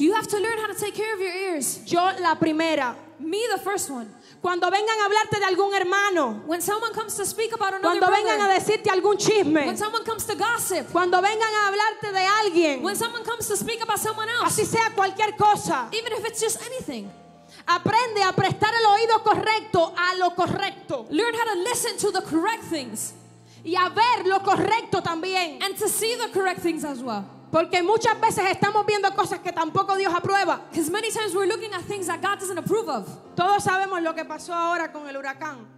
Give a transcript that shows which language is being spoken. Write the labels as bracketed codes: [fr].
[en] You have to learn how to take care of your ears. [es] Yo la primera. [en] Me the first one. [es] Cuando vengan a hablarte de algún hermano. [en] When someone comes to speak about another. [es] Cuando vengan [en] brother, [es] a decirte algún chisme. [en] When someone comes to gossip. [es] Cuando vengan a hablarte de alguien. [en] When someone comes to speak about someone else. [es] Así sea cualquier cosa. [en] Even if it's just anything. [es] Aprende a prestar el oído correcto a lo correcto. [en] Learn how to listen to the correct things. [es] Y a ver lo correcto también. [en] And to see the correct things as well. [es] Porque muchas veces estamos viendo cosas que tampoco Dios aprueba. [en] Because many times we're looking at things that God doesn't approve of. [es] Todos sabemos lo que pasó ahora con el huracán.